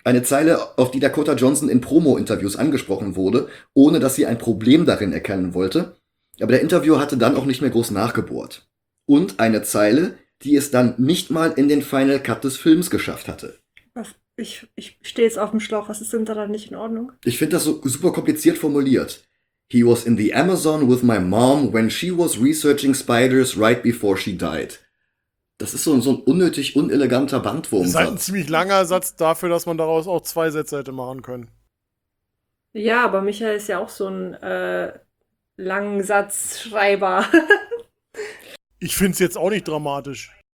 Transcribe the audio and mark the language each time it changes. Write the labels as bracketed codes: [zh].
[de] Eine Zeile, auf die Dakota Johnson in Promo-Interviews angesprochen wurde, ohne dass sie ein Problem darin erkennen wollte. Aber der Interviewer hatte dann auch nicht mehr groß nachgebohrt. Und eine Zeile, die es dann nicht mal in den Final Cut des Films geschafft hatte. Was Ich stehe jetzt auf dem Schlauch. Was ist denn daran nicht in Ordnung? Ich finde das so super kompliziert formuliert. [en] He was in the Amazon with my mom when she was researching spiders right before she died. [de] Das ist so ein unnötig uneleganter Bandwurm. Das ist ein ziemlich langer Satz dafür, dass man daraus auch zwei Sätze hätte machen können. Ja, aber Michael ist ja auch so ein langen Satzschreiber. Ich finde es jetzt auch nicht dramatisch.